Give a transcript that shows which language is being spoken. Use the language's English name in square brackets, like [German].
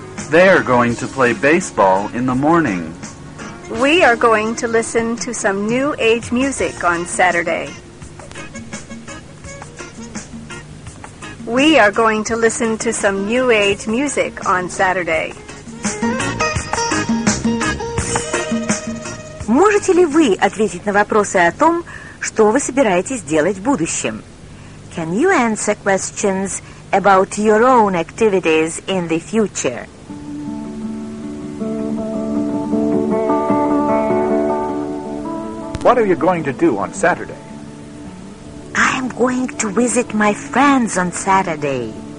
[English] They are going to play baseball in the morning. We are going to listen to some New Age music on Saturday. We are going to listen to some New Age music on Saturday. [Russian] Можете ли вы ответить на вопросы о том, что вы собираетесь делать в будущем? [English] Can you answer questions about your own activities in the future? What are you going to do on Saturday? I am going to visit my friends on Saturday.